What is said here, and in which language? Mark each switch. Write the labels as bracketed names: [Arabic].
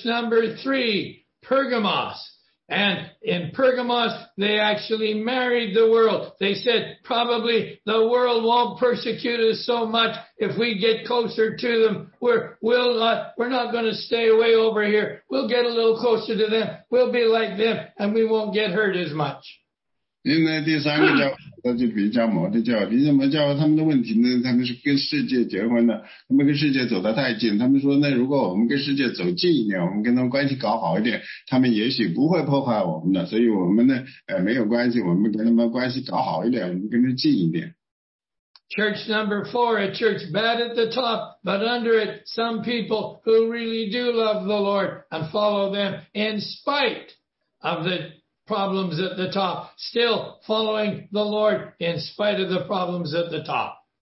[English] number three, Pergamos, and in Pergamos they actually married the world. They said probably the world won't persecute us so much if we get closer to them. We're not going to stay way over here. We'll get a little closer to them. We'll be like them, and we won't get hurt as much. [Chinese] 因为第三个教会就比较魔的教会，因为魔教他们的问题呢，他们是跟世界结婚的，他们跟世界走得太近，他们说呢，如果我们跟世界走近一点，我们跟他们关系搞好一点，他们也许不会破坏我们的，所以我们呢，没有关系，我们跟他们关系搞好一点，我们跟他们近一点。 [English] Church number four, a church bad at the top, but under it, some people who really do love the Lord and follow them in spite of the problems at the top, still following the Lord in spite of the problems at the top.